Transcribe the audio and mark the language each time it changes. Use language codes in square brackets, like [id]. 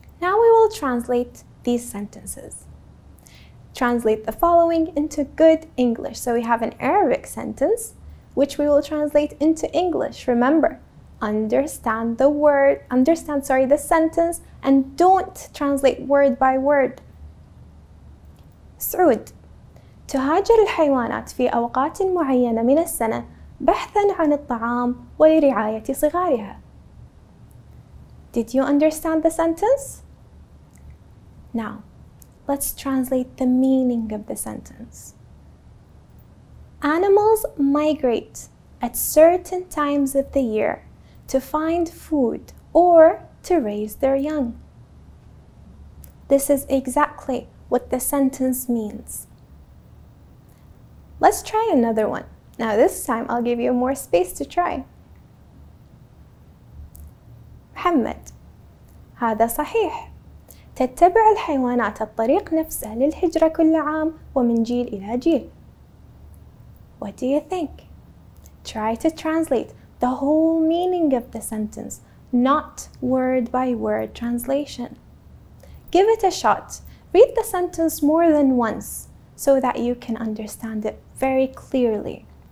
[en] Now we will translate these sentences. Translate the following into good English. So we have an Arabic sentence, which we will translate into English. Remember, understand the word, the sentence, and don't translate word by word. [ar] سعود تهاجر الحيوانات في أوقات معينة من السنة بحثاً عن الطعام ولرعاية صغارها. [en] Did you understand the sentence? Now, let's translate the meaning of the sentence. Animals migrate at certain times of the year to find food or to raise their young. This is exactly what the sentence means. Let's try another one. Now this time I'll give you more space to try. [ar] محمد هذا صحيح. تتبع الحيوانات الطريق نفسه للهجرة كل عام ومن جيل إلى جيل. [en] What do you think? Try to translate the whole meaning of the sentence, not word by word translation. Give it a shot. Read the sentence more than once so that you can understand it very clearly.